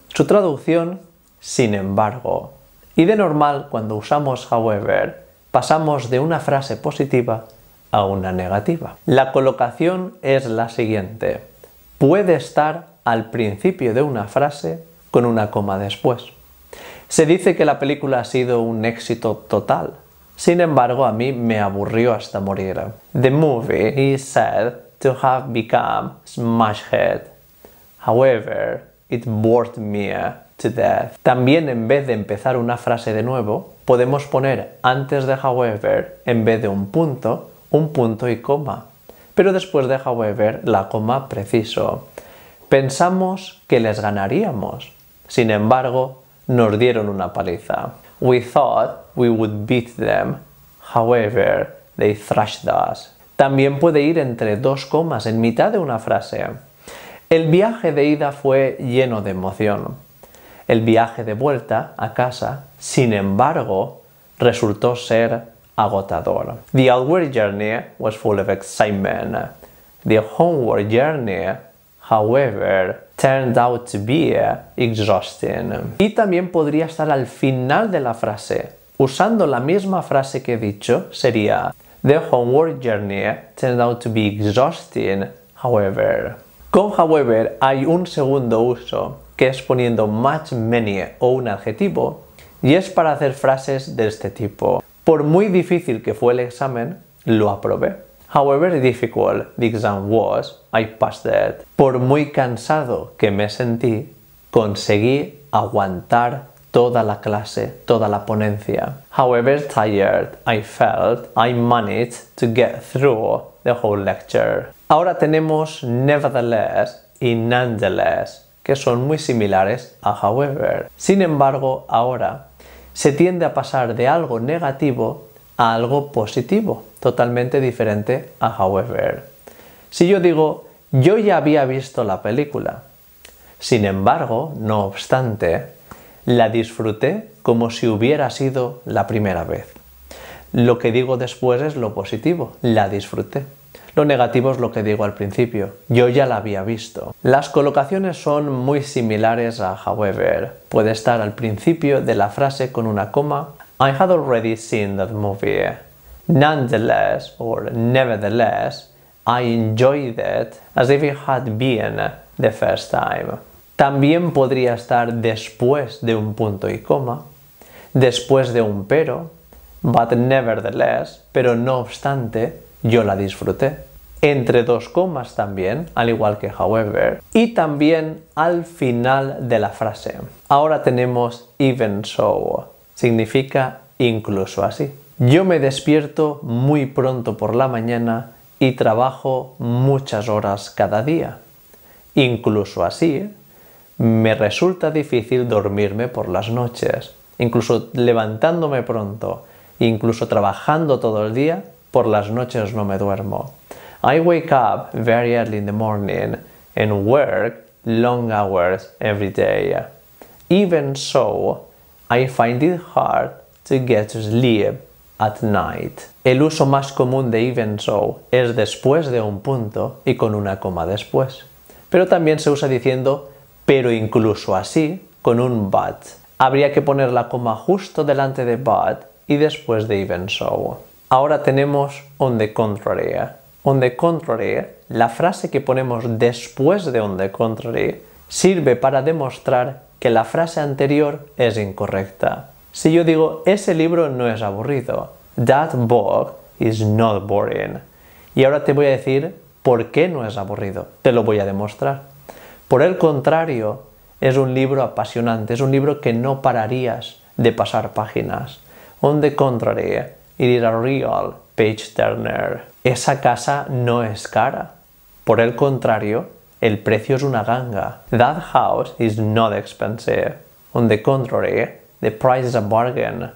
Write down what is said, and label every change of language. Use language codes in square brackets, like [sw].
[es] Su traducción, sin embargo. Y de normal, cuando usamos however, pasamos de una frase positiva a una negativa. La colocación es la siguiente. Puede estar al principio de una frase con una coma después. Se dice que la película ha sido un éxito total. Sin embargo, a mí me aburrió hasta morir. [en] The movie is said to have become smash hit. However, it bored me to death. [es] También, en vez de empezar una frase de nuevo, podemos poner antes de however, en vez de un punto y coma. Pero después de however, la coma preciso. Pensamos que les ganaríamos. Sin embargo, nos dieron una paliza. [en] We thought we would beat them. However, they thrashed us. [es] También puede ir entre dos comas, en mitad de una frase. El viaje de ida fue lleno de emoción. El viaje de vuelta a casa, sin embargo, resultó ser agotador. [en] The outward journey was full of excitement. The homeward journey, however, turned out to be exhausting. [es] Y también podría estar al final de la frase. Usando la misma frase que he dicho, sería [en] The homeward journey turned out to be exhausting, however. [es] Con however hay un segundo uso, que es poniendo much, many o un adjetivo, y es para hacer frases de este tipo. Por muy difícil que fue el examen, lo aprobé. [en] However difficult the exam was, I passed it. [es] Por muy cansado que me sentí, conseguí aguantar toda la clase, toda la ponencia. [en] However tired I felt, I managed to get through the whole lecture. [es] Ahora tenemos nevertheless y nonetheless, que son muy similares a however. Sin embargo, ahora se tiende a pasar de algo negativo a algo positivo, totalmente diferente a however. Si yo digo, yo ya había visto la película. Sin embargo, no obstante, la disfruté como si hubiera sido la primera vez. Lo que digo después es lo positivo, la disfruté. Lo negativo es lo que digo al principio, yo ya la había visto. Las colocaciones son muy similares a however. Puede estar al principio de la frase con una coma. [en] I had already seen that movie. Nonetheless, or nevertheless, I enjoyed it as if it had been the first time. [es] También podría estar después de un punto y coma, después de un pero, [en] but nevertheless, [es] pero no obstante, yo la disfruté. Entre dos comas también, al igual que however, y también al final de la frase. Ahora tenemos even so, significa incluso así. Yo me despierto muy pronto por la mañana y trabajo muchas horas cada día. Incluso así, me resulta difícil dormirme por las noches. Incluso levantándome pronto, incluso trabajando todo el día, por las noches no me duermo. I wake up very early in the morning and work long hours every day. Even so, I find it hard to get to sleep at night. El uso más común de even so es después de un punto y con una coma después. Pero también se usa diciendo pero incluso así con un but. Habría que poner la coma justo delante de but y después de even so. Ahora tenemos on the contrary. On the contrary, la frase que ponemos después de on the contrary sirve para demostrar que la frase anterior es incorrecta. Si yo digo, ese libro no es aburrido. [en] That book is not boring. [es] Y ahora te voy a decir por qué no es aburrido. Te lo voy a demostrar. Por el contrario, es un libro apasionante. Es un libro que no pararías de pasar páginas. [en] On the contrary, it is a real page turner. [es] Esa casa no es cara. Por el contrario, el precio es una ganga. [en] That house is not expensive. On the contrary, the price is a bargain.